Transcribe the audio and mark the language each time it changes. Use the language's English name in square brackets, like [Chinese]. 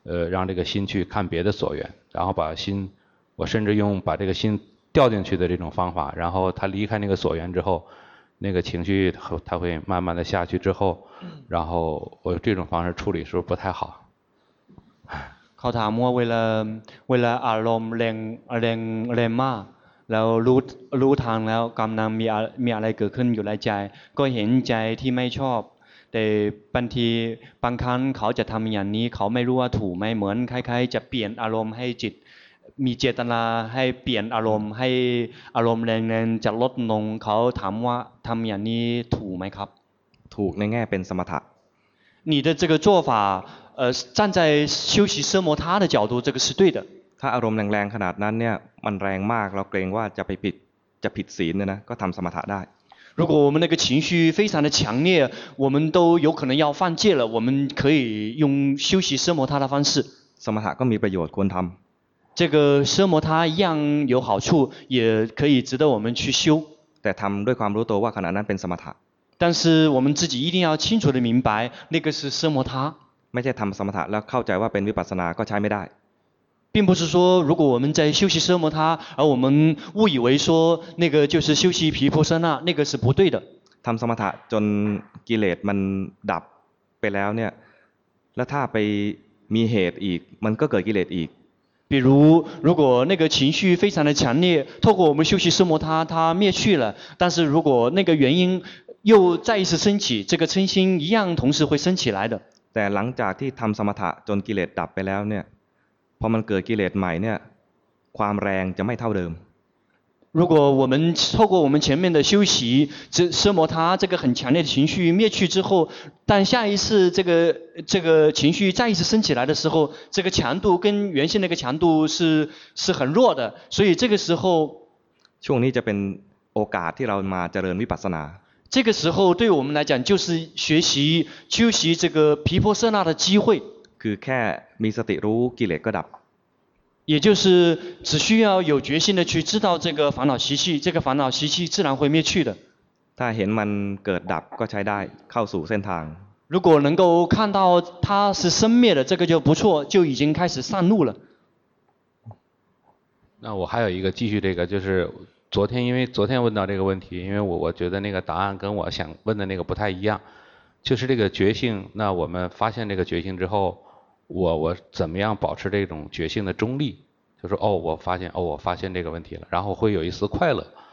[Chinese] 让这个心去看别的所缘然后把心我甚至用把这个心掉进去的这种方法然后它离开那个所缘之后那个情绪它会慢慢的下去之后然后我这种方式处理是不是不太好 [Thai] ขอถามว่าเวลาอารมณ์แรงมากแล้วรู้ทางแล้วกำลังมีอะไรเกิดขึ้นอยู่ในใจก็เห็นใจที่ไม่ชอบแต่บางครั้งเขาจะทำอย่างนี้เขาไม่รู้ว่าถูกไหมเหมือนคล้ายๆจะเปลี่ยนอารมณ์ให้จิตมีเจตนาให้เปลี่ยนอารมณ์ให้อารมณ์แรงๆจะลดลงเขาถามว่าทำอย่างนี้ถูกไหมครับ ถูกในแง่เป็นสมถะ [Chinese] 你的这个做法站在修习奢摩他的角度这个是对的 [Thai] ถ้าอารมณ์แรงๆขนาดนั้นเนี่ยมันแรงมากเราเกรงว่าจะผิดศีลเนี่ยนะก็ทำสมถะได้ [Chinese] 如果我们那个情绪非常的强烈我们都有可能要犯戒了我们可以用修习奢摩他的方式 [Thai] สมถะก็มีประโยชน์ควรทำ [Chinese] 这个奢摩他一样有好处也可以值得我们去修 [Thai] แต่ทําด้วยความรู้ตัวว่าขณะนั้นเป็นสมถะ [Chinese] 但是我们自己一定要清楚地明白那个是奢摩他 [Thai] ไม่ใช่ทําสมถะแล้วเข้าใจว่าเป็นวิปัสสนาก็ใช้ไม่ได้ [Chinese] 并不是说如果我们在修习奢摩他而我们误以为说那个就是修习毗婆舍那那个是不对的 [Thai] ทําสมถะจนกิเลสมันดับไปแล้วเนี่ยแล้วถ้าไป มีเหตุอีกมันก็เกิดกิเลสอีก [Chinese] 比如如果那个情绪非常的强烈透过我们修习奢摩他它灭去了但是如果那个原因又再一次升起这个嗔心一样同时会升起来的 [Thai] แต่หลังจากที่ทำสมถะจนกิเลสดับไปแล้วเนี่ยพอมันเกิดกิเลสใหม่เนี่ยความแรงจะไม่เท่าเดิม [Chinese] 如果我们透过我们前面的修习这奢摩他这个很强烈的情绪灭去之后但下一次这个情绪再一次升起来的时候这个强度跟原先那个强度是很弱的所以这个时候 [Thai] ช่วงนี้จะเป็นโอกาสที่เรามาเจริญวิปัสสนา [Chinese] 这个时候对我们来讲就是学习修习这个毗婆舍那的机会 [Thai] คือแค่มีสติรู้กิเลสก็ดับ [Chinese] 也就是只需要有决心的去知道这个烦恼习气这个烦恼习气自然会灭去的 [Thai] ถ้าเห็นมันเกิดดับก็ใช้ได้เข้าสู่เส้นทาง [Chinese] 如果能够看到它是生灭的这个就不错就已经开始上路了那我还有一个继续这个就是昨天因为昨天问到这个问题因为我觉得那个答案跟我想问的那个不太一样就是这个觉性那我们发现这个觉性之后我怎么样保持这种觉性的中立就是说我发现这个问题了然后会有一丝快乐